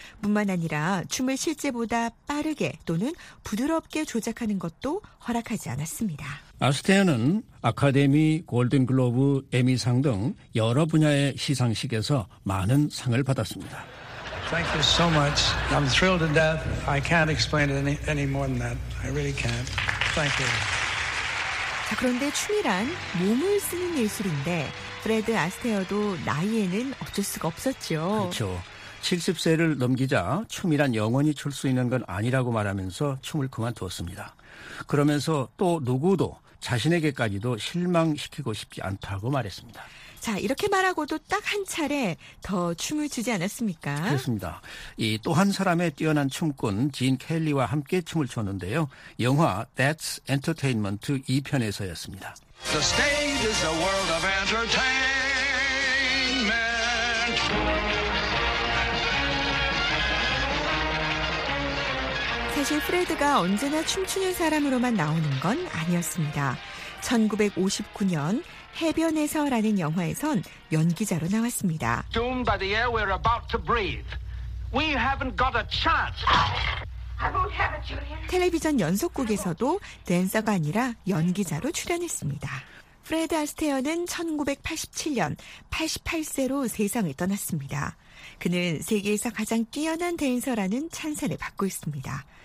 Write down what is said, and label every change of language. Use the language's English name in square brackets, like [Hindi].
[Korean] 뿐만 아니라 춤을 실제보다 빠르게 또는 부드럽게 조작하는 것도 허락하지 않았습니다. 아스테어는 아카데미, 골든글로브, 에미상 등 여러 분야의 시상식에서 많은 상을 받았습니다. [English] Thank you so much. I'm thrilled to death. I can't explain it any more than that. I really can't. Thank you. [Korean] 자, 그런데 춤이란 몸을 쓰는 예술인데 프레드 아스테어도 나이에는 어쩔 수가 없었죠. 그렇죠. 70세를 넘기자 춤이란 영원히 출 수 있는 건 아니라고 말하면서 춤을 그만두었습니다. 그러면서 또 누구도 자신에게까지도 실망시키고 싶지 않다고 말했습니다. 자, 이렇게 말하고도 딱 한 차례 더 춤을 추지 않았습니까? 그렇습니다. 이 또 한 사람의 뛰어난 춤꾼 진 켈리와 함께 춤을 췄는데요. 영화 That's Entertainment 2편에서였습니다. [English] The stage is a world of entertainment. [Korean] 사실 프레드가 언제나 춤추는 사람으로만 나오는 건 아니었습니다. 1959년 해변에서라는 영화에선 연기자로 나왔습니다. [English] Doom by the air we're about to breathe. We haven't got a chance. I won't have it, Julian. [Korean] 텔레비전 연속극에서도 댄서가 아니라 연기자로 출연했습니다. 프레드 아스테어는 1987년 88세로 세상을 떠났습니다. 그는 세계에서 가장 뛰어난 댄서라는 찬사를 받고 있습니다.